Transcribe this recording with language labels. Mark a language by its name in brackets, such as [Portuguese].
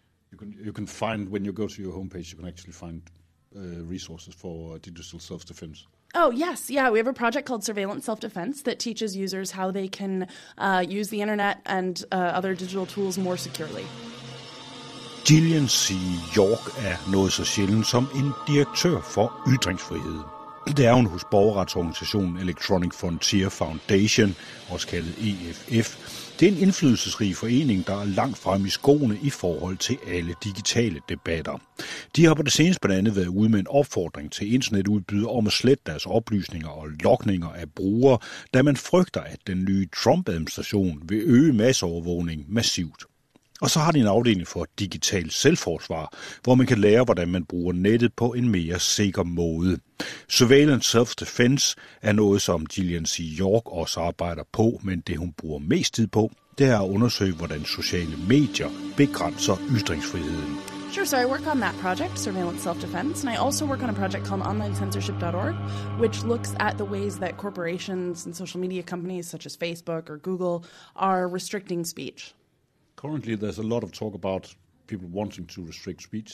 [English] You can find, when you go to your homepage, you can actually find resources for digital self-defense. Oh, yes. Yeah, we have a project called Surveillance Self-Defense that teaches users how they can use the internet and other digital tools more securely. Gillian C. [Danish] York er noget så sjældent som en direktør for ytringsfrihed. Det er hun hos borgerretsorganisationen Electronic Frontier Foundation, også kaldet EFF. Det er en indflydelsesrig forening, der er langt frem i skoene i forhold til alle digitale debatter. De har på det seneste blandt andet været ude med en opfordring til internetudbydere om at slette deres oplysninger og logninger af brugere, da man frygter, at den nye Trump-administration vil øge masseovervågning massivt. Og så har de en afdeling for digital selvforsvar, hvor man kan lære, hvordan man bruger nettet på en mere sikker måde. Surveillance Self-Defense er noget, som Gillian C. York også arbejder på, men det, hun bruger mest tid på, det er at undersøge, hvordan sociale medier begrænser ytringsfriheden. [English] Sure, so I work on that project, Surveillance Self-Defense, and I also work on a project called OnlineCensorship.org, which looks at the ways that corporations and social media companies such as Facebook or Google are restricting speech. Currently, there's a lot of talk about people wanting to restrict speech.